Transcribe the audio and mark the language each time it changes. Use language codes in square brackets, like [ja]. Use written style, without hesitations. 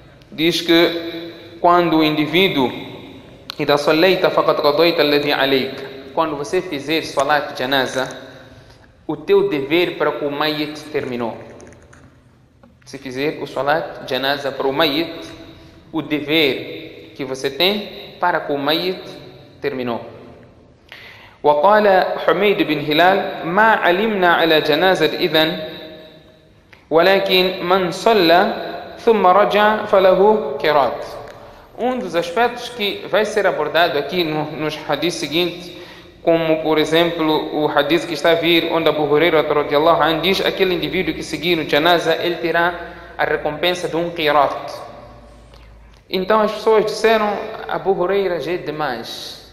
[pt] Diz que quando o indivíduo, quando você fizer salat janaza, o teu dever para com o mayit terminou. Se fizer o salat janaza para o mayit, o dever que você tem para com o mayit terminou. [ar] وقال حميد بن هلال ما علمنا على جنازة إذن ولكن من صلى ثم رجع فله قراءات. [pt] Um dos aspectos que vai ser abordado aqui nos hadith seguinte, como por exemplo o hadith que está a vir, onde Abu Huraira radiallahu anhu diz, aquele indivíduo que seguir o janaza, ele terá a recompensa de um qiraat. Então as pessoas disseram, Abu Huraira já é demais.